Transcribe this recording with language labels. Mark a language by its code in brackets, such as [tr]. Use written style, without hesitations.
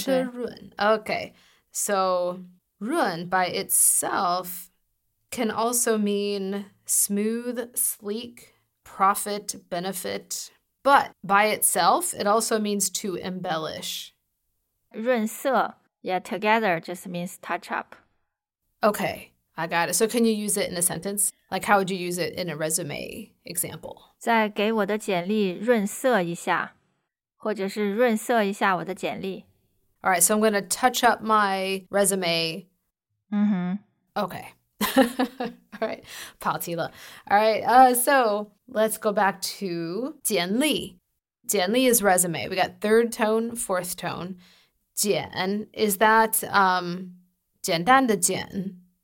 [en] 湿润.Okay. So 润 by itself can also mean smooth, sleek, profit, benefit. But by itself, it also means to embellish. 润色.Yeah, together just means touch up. Okay, I got it. So can you use it in a sentence? Like how would you use it in a resume example? [zh] 再给我的简历润色一下。或者是润色一下我的简历。 [en] All right, so I'm going to touch up my resume. Mm-hmm. Okay. All right, [zh] 跑题了。 [en] All right, so let's go back to 简历。简历 is resume. We got third tone, fourth tone. 简, is that [zh] 简单的简?